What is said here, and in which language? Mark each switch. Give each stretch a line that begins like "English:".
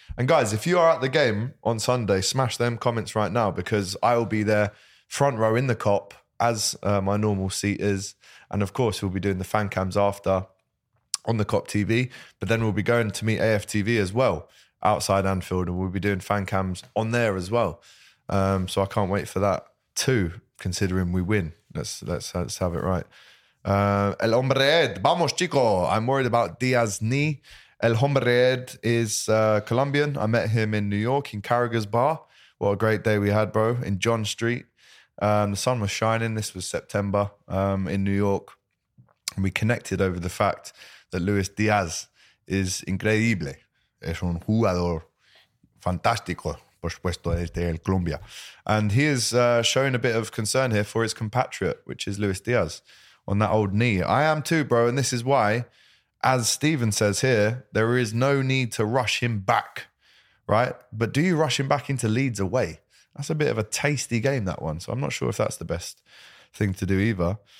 English: And guys, if you are at the game on Sunday, smash them comments right now because I will be there front row in the cop as my normal seat is. And of course, we'll be doing the fan cams after on the Kop TV. But then we'll be going to meet AFTV as well outside Anfield and we'll be doing fan cams on there as well. So I can't wait for that too, considering we win. Let's have it right.
Spanish: El Hombre Ed, vamos chico.
English: I'm worried about Diaz's knee. El Hombre Ed is Colombian. I met him in New York in Carragher's Bar. What a great day we had, bro, in John Street. The sun was shining. This was September in New York. And we connected over the fact that Luis Diaz is increíble.
Spanish: Es un jugador fantástico, por supuesto, desde el Colombia.
English: And he is showing a bit of concern here for his compatriot, which is Luis Diaz, on that old knee. I am too, bro, and this is why, as Steven says here, there is no need to rush him back, right? But do you rush him back into Leeds away? That's a bit of a tasty game, that one. So I'm not sure if that's the best thing to do either.